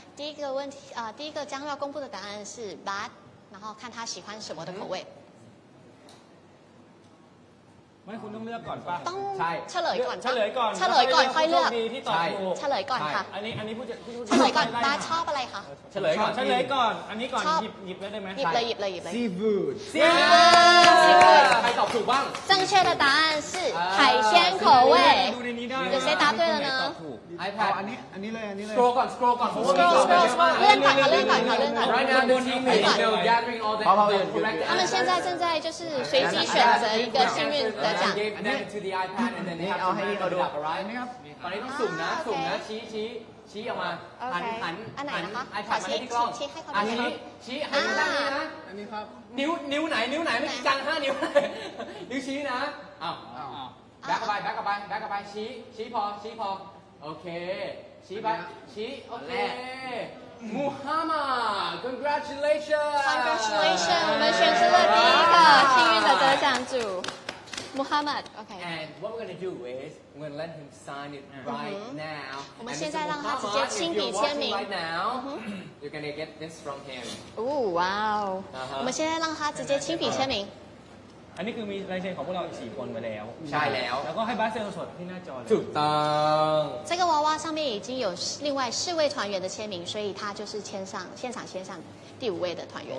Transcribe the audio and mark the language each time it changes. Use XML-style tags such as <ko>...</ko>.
<zh>第一个问题、第一个将要公布的答案是 Bad 然后看他喜欢什么的口味、mm-hmm.</zh> <th>ไม่คุณต้องเลือกก่อนป่ะ ต้อง ใช่เฉลยก่อน เฉลยก่อน เฉลยก่อนค่อยเลือก ที่ตอบถูก เฉลยก่อนค่ะ อันนี้พูด เฉลยก่อนบ้าชอบอะไรคะ เฉลยก่อน เฉลยก่อนอันนี้ก่อนหยิบได้ไหม หยิบเลย ซีฟูด ซีฟูดใครตอบถูกบ้าง</th> <zh>正确的答案是海鲜口味</zh> <th>ดูในนี้ได้</th> <zh>有谁答对了呢</zh> <en>iPad</en> <th>อันนี้เลย scroll ก่อน scroll เล่นก่อนเล่นก่อน</th> <en>right now the team is gathering all the correct</en> <zh>他们现在正在就是随机选择一个幸运得奖</zh> <en>gave that to the iPad and then they have to match it up right</en> <th>ตอนนี้ต้องสุ่มนะชี้ออกมาหัน อันไหนนะคะ iPad มาให้ที่กล้อง อัน นี้ชี้หันด้านนี้นะ อันนี้ครับ นิ้วไหนไม่จัง5นิ้วนิ้วชี้นะอ้าว</th> <en>back up</en> <th>ไปชี้พอโอเคชี้ไปชี้โอเคมูฮัมหมัด</th> <en>congratulations</en> <th>เราชนะแล้วที่ค่ะชิงได้รางวัลจากมูฮัมหมัดโอเค</th> <en>and what we're going to do is we're going to let him sign it right now</en> <th>เราจะให้เขาเซ็นชิงบีเซียนมิง</th> <en>right now you're going to get this from him</en> <th>โอ้ว้าวเราจะให้เขาเซ็นชิงบีเซียนมิง อันนี้คือมีลายเซ็นของพวกเรา4คนไปแล้ว ใช่แล้ว แล้วก็ให้บาสเซ็นสดที่หน้าจอเลย ถูกต้อง</th> <zh>这个娃娃上面已经有另外四位团员的签名所以他就是签上现场签上第五位的团员</zh>